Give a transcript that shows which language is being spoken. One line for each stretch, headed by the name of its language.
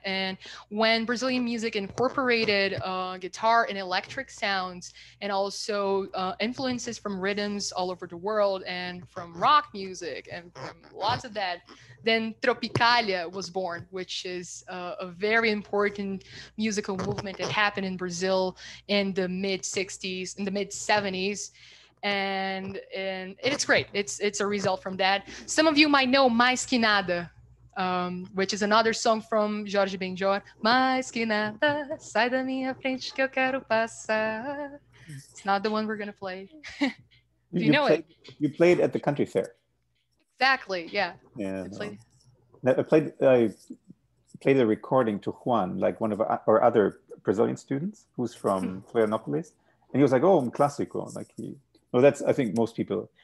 English: And when Brazilian music incorporated guitar and electric sounds, and also influences from rhythms all over the world and from rock music and from lots of that, then Tropicália was born, which is a very important musical movement that happened in Brazil in the mid-60s, in the mid-70s. And it's great. It's a result from that. Some of you might know Mais Que Nada, which is another song from Jorge Benjor.
Portuguese: Mais que nada, sai da minha frente que eu quero passar.
English: It's not the one we're going to play. You played at the country fair. Exactly, yeah. Yeah. I played a recording to Juan, like one of our other Brazilian students who's from Florianópolis. And he was like, oh, I'm clásico. Like, I think most people.